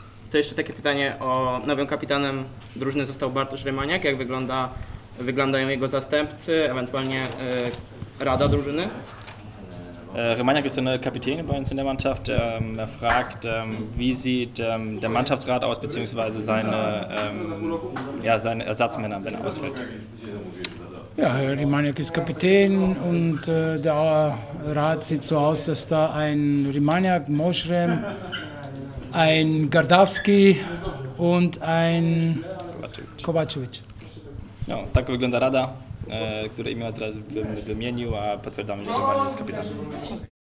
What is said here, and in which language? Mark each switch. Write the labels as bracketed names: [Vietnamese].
[Polish] To jeszcze takie pytanie o nowym kapitanem drużyny został Bartosz Rymaniak. Jak wygląda wyglądają jego zastępcy, ewentualnie rada drużyny? [German] Romaniak ist der neue Kapitän bei uns in der Mannschaft. Er fragt, wie sieht der Mannschaftsrat aus, beziehungsweise seine, ja, seine Ersatzmänner, wenn er ausfällt. Ja, Herr Romaniak ist Kapitän und der Rat sieht so aus, dass da ein Romaniak, Moschrem, ein Gardawski und ein Kovacevic. [Polish] Ja, tak wygląda Rada. Które imię teraz bym wymienił, a potwierdzamy, że to jest kapitan.